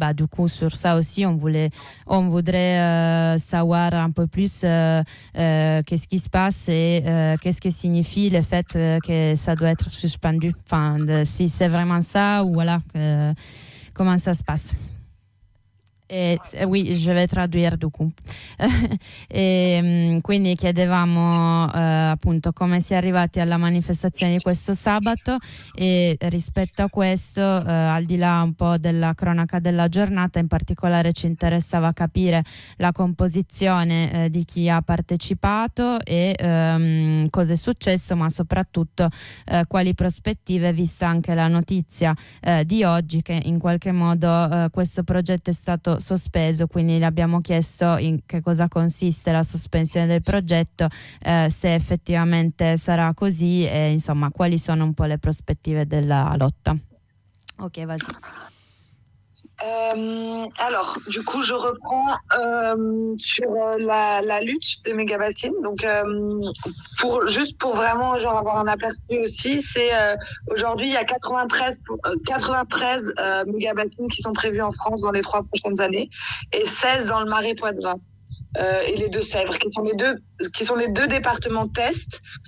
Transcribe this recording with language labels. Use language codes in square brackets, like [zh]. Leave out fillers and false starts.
[fr] Bah du coup sur ça aussi on voudrait savoir un peu plus qu'est-ce qui se passe et qu'est-ce que signifie le fait que ça doit être suspendu, enfin si c'est vraiment ça, ou voilà comment ça se passe. Oui, je vais traduire du coup. [it] E quindi chiedevamo appunto come si è arrivati alla manifestazione di questo sabato, e rispetto a questo, al di là un po' della cronaca della giornata, in particolare ci interessava capire la composizione di chi ha partecipato e cosa è successo, ma soprattutto quali prospettive, vista anche la notizia di oggi che in qualche modo questo progetto è stato sospeso. Quindi le abbiamo chiesto in che cosa consiste la sospensione del progetto, se effettivamente sarà così, e insomma quali sono un po' le prospettive della lotta. [fr] Ok, vas-y. Alors, du coup, je reprends sur la lutte des mégabassines. Donc, pour vraiment genre avoir un aperçu aussi, c'est aujourd'hui il y a 93 mégabassines qui sont prévues en France dans les 3 prochaines années et 16 dans le Marais Poitevin et les Deux-Sèvres, qui sont les deux départements test.